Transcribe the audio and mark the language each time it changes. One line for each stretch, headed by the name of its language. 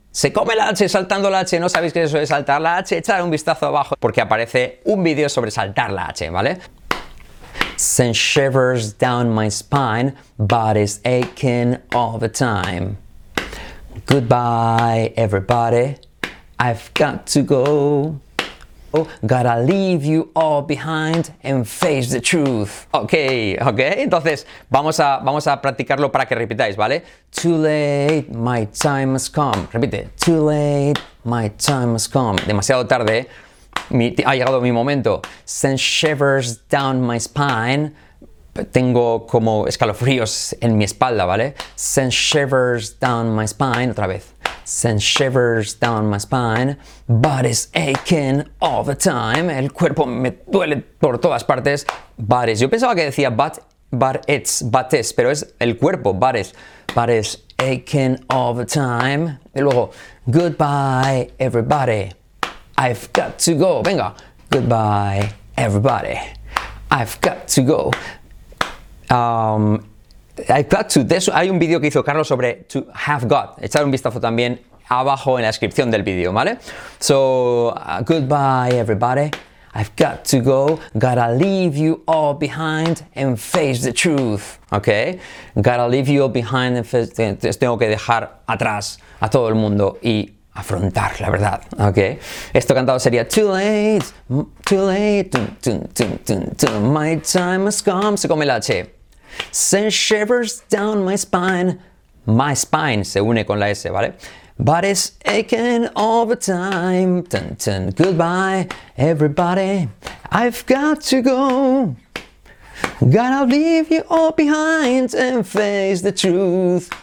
Spanish: Se come la H saltando la H, ¿no sabéis qué es eso de saltar la H? Echad un vistazo abajo porque aparece un vídeo sobre saltar la H, ¿vale?
English: Send shivers down my spine, body's aching all the time, goodbye everybody, I've got to go. Gotta leave you all behind and face the truth.
Spanish: Ok, ok, entonces vamos a practicarlo para que repitáis, ¿vale?
English: Too late, my time has come.
Spanish: Repite.
English: Too late, my time has come.
Spanish: Demasiado tarde, ha llegado mi momento.
English: Send shivers down my spine.
Spanish: Tengo como escalofríos en mi espalda, ¿vale?
English: Send shivers down my spine.
Spanish: Otra vez.
English: Send shivers down my spine, body's aching all the time.
Spanish: El cuerpo me duele por todas partes. Bodies. Yo pensaba que decía
English: but it's,
Spanish: pero es el cuerpo, bodies.
English: Body's aching all the time.
Spanish: Y luego,
English: goodbye everybody, I've got to go.
Spanish: Venga,
English: goodbye everybody, I've got to go. I've got to. This,
Spanish: hay un vídeo que hizo Carlos sobre to have got. Echar un vistazo también abajo en la descripción del vídeo, ¿vale?
English: So, goodbye everybody. I've got to go. Gotta leave you all behind and face the truth. ¿Ok? Gotta leave you all behind and face the truth.
Spanish: Tengo que dejar atrás a todo el mundo y afrontar la verdad. ¿Ok? Esto cantado sería
English: too late. Too late. Dun, dun, dun, dun, dun. My time has come.
Spanish: Se come la H.
English: Send shivers down my spine. My spine
Spanish: se une con la S, ¿vale?
English: But it's aching all the time. Dun, dun. Goodbye, everybody. I've got to go. Gotta leave you all behind and face the truth.